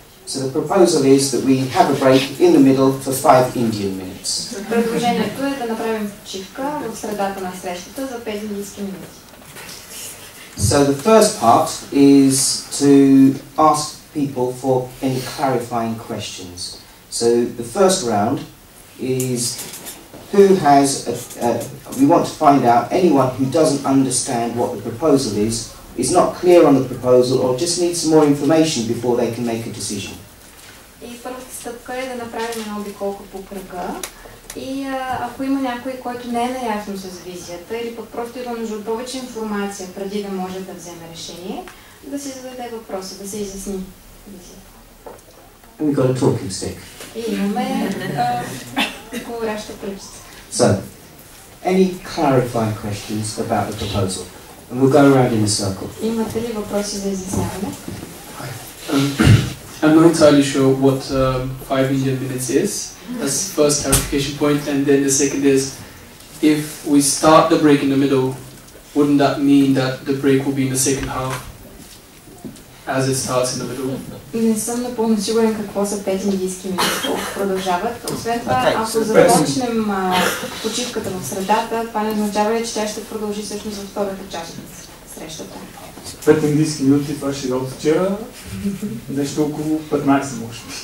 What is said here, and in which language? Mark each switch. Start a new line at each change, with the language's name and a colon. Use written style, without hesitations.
English: So the proposal is that we have a break in the middle for 5 Indian minutes.
Bulgarian: Предложението е да направим почивка в средата на срещата за 5 индийски минути.
English: So the first part is to ask people for any clarifying questions. So the first round is who has we want to find out anyone who doesn't understand what the proposal is not clear on the proposal or just needs some more information before they can make a decision.
Bulgarian: И първата стъпка е да направим едно обиколка по кръга. И ако има някой, който не е наясно с визията или пък просто има нужда от повече информация преди да може да вземе решение, да си зададе въпроса, да се изясни визията.
English: We got a talking stick.
Bulgarian: И имаме говоряща пръчица.
English: So, any clarifying questions about the proposal? And we'll go around in a circle.
Bulgarian: Имате ли въпроси за изясняване?
English: I'm not entirely sure what 5 Indian minutes is. That's the first clarification point. And then the second is, if we start the break in the middle, wouldn't that mean that the break will be in the second half as it starts in the middle?
Bulgarian: Не съм напълно сигурен какво са 5 индийски минути, колко продължават. Освен това, ако започнем почивката в средата, това не означава ли, че тя ще продължи всъщност за втората част на срещата? 5 индийски минути, това ще е от вчера, нещо около 15 може.